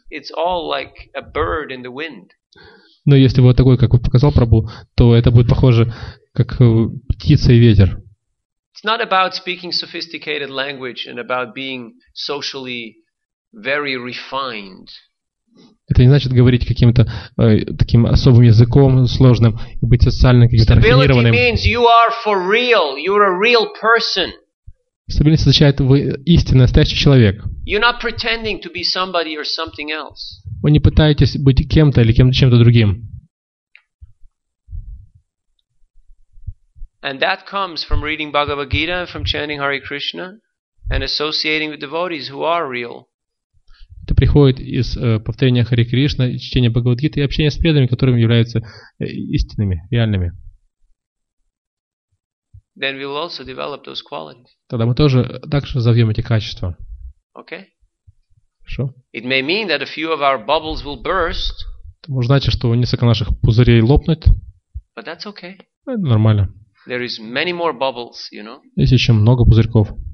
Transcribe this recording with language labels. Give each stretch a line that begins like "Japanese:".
English: It's all like a bird in the wind.
Russian: Но если вы такой, как вы показал Прабу, то это будет похоже как птица и ветер.
English: It's not about speaking sophisticated language and about being socially very refined.
Russian: Это не значит говорить каким-то таким особым языком сложным и быть социально каким-то стабильным рафинированным.
English: Means you are for real. You're a real person.
Russian: Стабильность означает, вы истинный, настоящий человек.
English: You're not pretending to be somebody or something else.
Russian: Вы не пытаетесь быть кем-то или чем-то другим.
English: And that comes from reading Bhagavad Gita, from chanting Hare Krishna, and associating with devotees who are real.
Russian: Это приходит из повторения Харе Кришна, чтения Бхагавад Гиты и общения с преданными, которыми являются истинными, реальными.
English: Then we will also develop those qualities.
Russian: Тогда мы тоже также завьем эти качества.
English: Okay.
Russian: Хорошо.
English: It may mean that a few of our bubbles will burst.
Russian: Это может значить, что несколько наших пузырей лопнут.
English: But that's okay.
Russian: Это нормально.
English: There is many more bubbles, you know.
Russian: Есть еще много пузырьков.